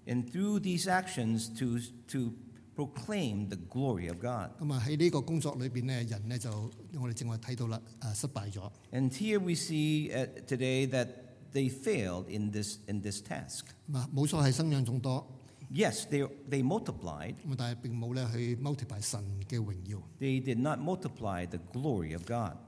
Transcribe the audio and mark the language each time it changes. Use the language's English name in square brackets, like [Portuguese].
[English] and through these actions to proclaim the glory of God. [Chinese] 在这个工作里面呢, 人呢, 就我们正话看到了, 失败了, [English] and here we see today that they failed in this task. [Chinese] 没错是生养众多, [English] yes, they multiplied. [Chinese] 但并没有呢, 去multiply神的荣耀, [English] they did not multiply the glory of God.